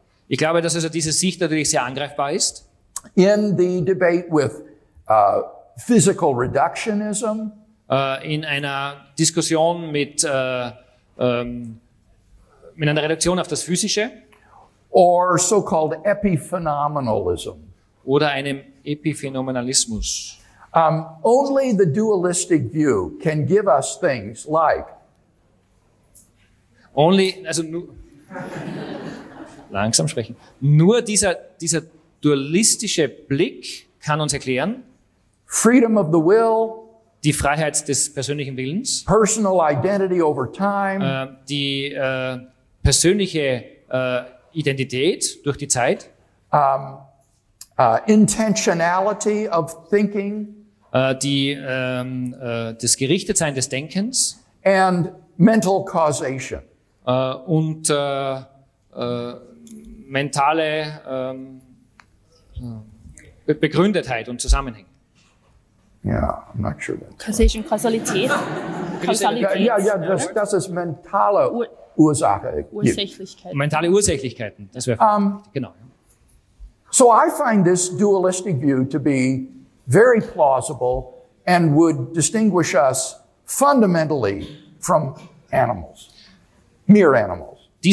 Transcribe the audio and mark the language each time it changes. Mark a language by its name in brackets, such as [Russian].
[German] Ich glaube, dass also diese Sicht natürlich sehr angreifbar ist. [English] In the debate with physical reductionism. [German] In einer Diskussion mit einer Reduktion auf das Physische. [English] Or so-called epiphenomenalism. [German] Oder einem Epiphenomenalismus. [English] Only the dualistic view can give us things like. [German] Only, also nur. Langsam sprechen. Nur dieser dualistische Blick kann uns erklären. [English] Freedom of the will. [German] Die Freiheit des persönlichen Willens. [English] Personal identity over time. [German] Die persönliche Identität durch die Zeit. [English] Intentionality of thinking. [German] Das Gerichtetsein des Denkens [English] and mental causation. [German] Und mentale Begründetheit und Zusammenhänge. [English] Yeah, I'm not sure that's causation, right. [German] Kausalität. Kausalität. Das ist mentale Ursächlichkeiten. Mentale Ursächlichkeiten, das wäre genau. [English] So I find this dualistic view to be very plausible and would distinguish us fundamentally from animals, mere animals.